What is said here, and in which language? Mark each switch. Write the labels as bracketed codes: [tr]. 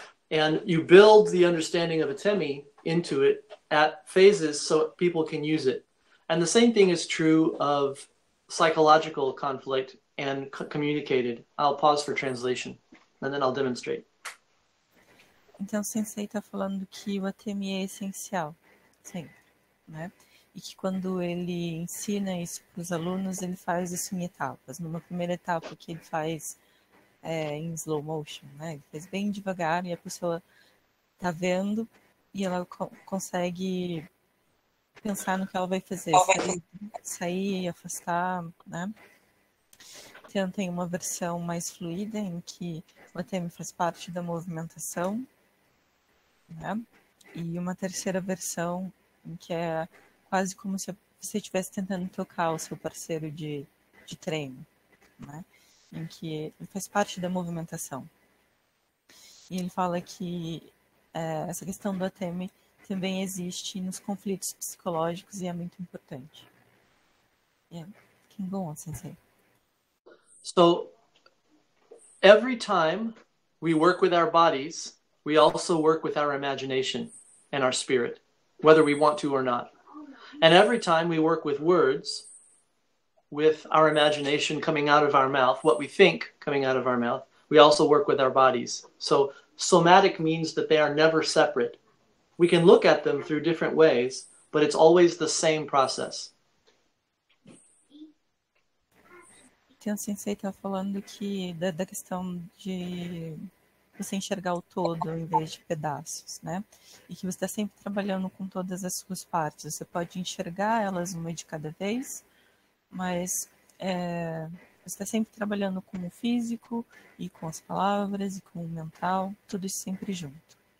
[en] And you build the understanding of atemi into it at phases so people can use it. And the same thing is true of psychological conflict and communicated. I'll pause for translation and then I'll demonstrate. [pt] Então, Sensei está falando que o atemi é essencial, sim, né? E que quando ele ensina isso para os alunos, ele faz isso em etapas. Numa primeira etapa que ele faz em slow motion, né? Ele faz bem devagar e a pessoa está vendo e ela consegue pensar no que ela vai fazer. Sair, afastar, né? Então tem uma versão mais fluida em que o atemi faz parte da movimentação. Né? E uma terceira versão que é quase como se você estivesse tentando tocar o seu parceiro de treino, né? Em que ele faz parte da movimentação. E ele fala que essa questão do atemi também existe nos conflitos psicológicos e é muito importante. [en] Yeah. Can go on, Sensei. So, every time we work with our bodies, we also work with our imagination and our spirit, whether we want to or not. And every time we work with words, with our imagination coming out of our mouth, what we think coming out of our mouth, we also work with our bodies. So somatic means that they are never separate. We can look at them through different ways, but it's always the same process. [pt] Então, Sensei está falando que da questão de você enxergar o todo em vez de pedaços, né? E que você está sempre trabalhando com todas as suas partes. Você pode enxergar elas uma de cada vez, mas você está sempre trabalhando com o físico e com as palavras e com o mental, tudo isso sempre junto.